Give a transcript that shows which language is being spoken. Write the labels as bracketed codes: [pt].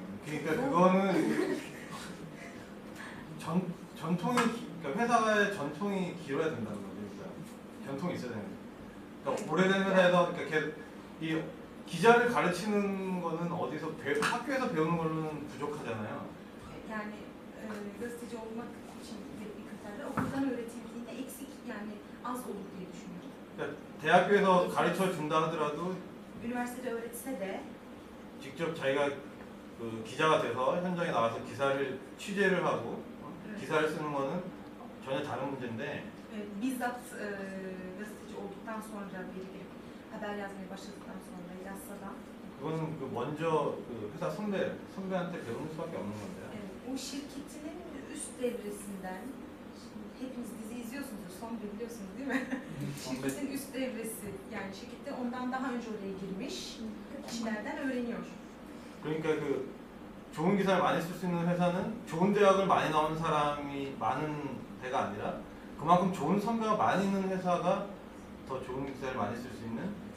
[ko] 그러니까 그거는 전통이 그러니까 회사의 전통이 길어야 된다는 거죠. 그러니까 전통이 있어야 되는 거죠. 그러니까 오래된 회사에서 이 기자를 가르치는 거는 어디서 학교에서 배우는 걸로는 부족하잖아요. [tr] 예, gazeteci olmak için bir kriterle okuldan öğretildiğinde eksik yani az olur diye düşünüyorum. [ko] 그러니까 대학교에서 가르쳐 준다 하더라도 [tr] üniversitede öğretse de [ko] 직접 자기가 그 기자가 돼서 현장에 나와서 기사를 취재를 하고 기사를 쓰는 거는 전혀 다른 문제인데 [tr] bizzat gazeteci olduktan sonra bir haber yazmaya başladıktan sonra yazsa da [ko] 그거는 그 먼저 그 회사 선배한테 배우는 수밖에 없는 건데 [tr] o şirketinin üst devresinden hepiniz dizi izliyorsunuz son biliyorsunuz değil mi? Şirketin üst devresi yani şirkette ondan daha önce oraya girmiş kişilerden öğreniyor. [ko] 그러니까 그 좋은 기사를 많이 쓸 수 있는 회사는 좋은 대학을 많이 나온 사람이 많은 데가 아니라 그만큼 좋은 선배가 많이 있는 회사가 더 좋은 기사를 많이 쓸 수 있는